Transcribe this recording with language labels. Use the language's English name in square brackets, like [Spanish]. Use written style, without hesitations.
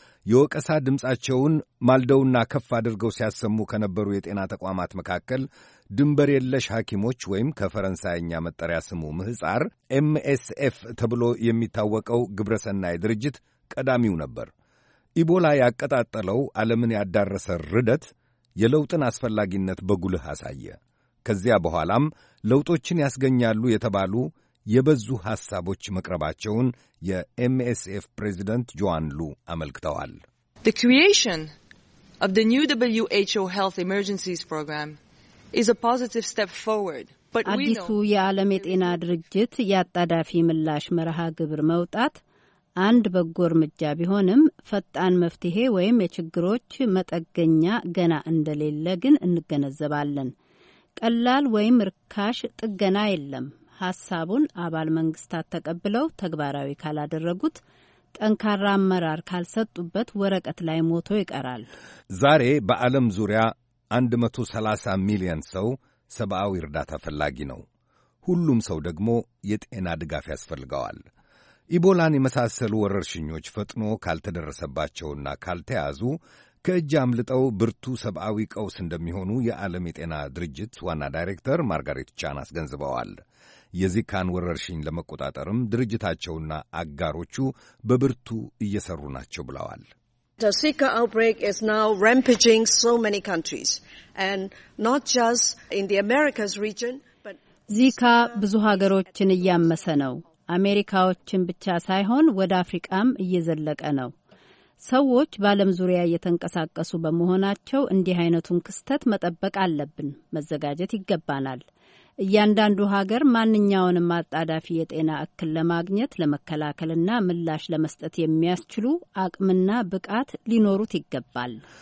[Amharic] የወቀሳ ድምፃቸውን ማልደውና ከፍ አድርገው ሲያሰሙ ከነበሩ የጤና ተቋማት መካከል ድንበር የለሽ ሐኪሞች ወይም ከፈረንሳይኛ መጠሪያ ስሙ ምሕፃር ኤምኤስኤፍ ተብሎ የሚታወቀው ግብረሰናይ ድርጅት ቀዳሚው ነበር። ኢቦላ ያቀጣጠለው ዓለምን ያዳረሰ ርደት የለውጥን አስፈላጊነት በጉልህ አሳየ። ከዚያ በኋላም ለውጦችን ያስገኛሉ የተባሉ የበዙ ሐሳቦች መቅረባቸውን የMSF ፕሬዝዳንት ጆአን ሉ አመልክተዋል። [English] The creation of the new WHO Health Emergencies Program is a positive step forward. [Amharic] አዲሱ የዓለም የጤና ድርጅት ያጣዳፊ ምላሽ መርሃ ግብር መውጣት አንድ በጎ እርምጃ ቢሆንም ፈጣን መፍትሄ ወይም የችግሮች መጠገኛ ገና እንደሌለ ግን እንገነዘባለን። ቀላል ወይም ርካሽ ጥገና የለም። ሐሳቡን አባል መንግስታት ተቀብለው ተግባራዊ ካላደረጉት ጠንካራ አመራር ካልሰጡበት ወረቀት ላይ ሞቶ ይቀራል። ዛሬ በዓለም ዙሪያ 130 ሚሊዮን ሰው ሰብአዊ እርዳታ ፈላጊ ነው። ሁሉም ሰው ደግሞ የጤና ድጋፍ ያስፈልጋዋል። ኢቦላን የመሳሰሉ ወረርሽኞች ፈጥኖ ካልተደረሰባቸውና ካልተያዙ ከእጅ አምልጠው ብርቱ ሰብአዊ ቀውስ እንደሚሆኑ የዓለም የጤና ድርጅት ዋና ዳይሬክተር ማርጋሬት ቻን አስገንዝበዋል። የዚካን ወረርሽኝ ለመቆጣጠርም ድርጅታቸውና አጋሮቹ በብርቱ እየሰሩ ናቸው ብለዋል። [English] The Zika outbreak is now rampaging so many countries and not just in the Americas region but [Amharic] Zika ብዙ ሀገሮችን እያመሰ ነው። አሜሪካዎችን ብቻ ሳይሆን ወደ አፍሪቃም እየዘለቀ ነው። ሰዎች በአለም ዙሪያ እየተንቀሳቀሱ በመሆናቸው እንዲህ አይነቱን ክስተት መጠበቅ አለብን፣ መዘጋጀት ይገባናል። እያንዳንዱ ሀገር ማንኛውንም አጣዳፊ የጤና እክል ለማግኘት ለመከላከልና ምላሽ ለመስጠት የሚያስችሉ አቅምና ብቃት ሊኖሩት ይገባል።